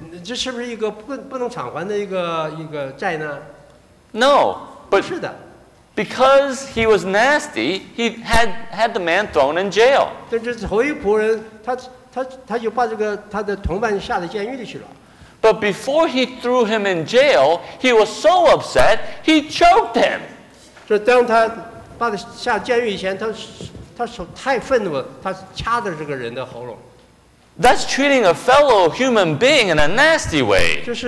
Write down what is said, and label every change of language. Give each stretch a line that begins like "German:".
Chinese: 这是不是一个不能偿还的一个债呢?
English: No, but
Chinese: 不是的。
English: Because he was nasty, he had the man thrown in jail.
Chinese: 但是头一仆人,他就把这个他的同伴下到监狱里去了。
English: But before he threw him in jail, he was so upset, he choked him.
Chinese: 就当他把他下监狱以前,他手太愤怒了,他掐着这个人的喉咙。
English: That's treating a fellow human being in a nasty way.